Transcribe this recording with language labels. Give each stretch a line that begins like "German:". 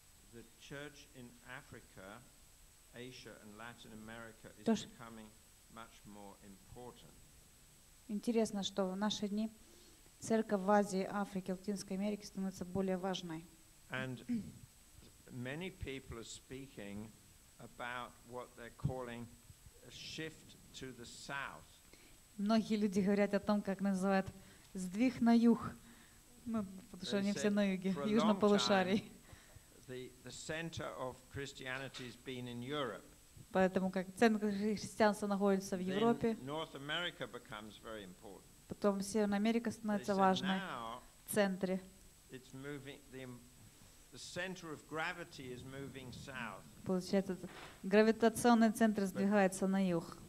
English: The church in Africa, Asia, and Latin America is becoming much more important.
Russian: Интересно, что в наши дни церковь в Азии, Африке, Латинской Америке становится более важной.
English: And many people are speaking about what they're calling a shift to the south.
Russian: Многие люди говорят о том, как называют сдвиг на юг. Ну, потому что они все на юге, южном полушарии.
English: The center of Christianity has been in Europe.
Russian: Поэтому как центр христианства находится в Европе.
English: Then North America becomes very important.
Russian: Потом Северная Америка становится важной в центре.
English: It's moving the center of gravity is moving south.
Russian: Получается, гравитационный центр сдвигается на юг.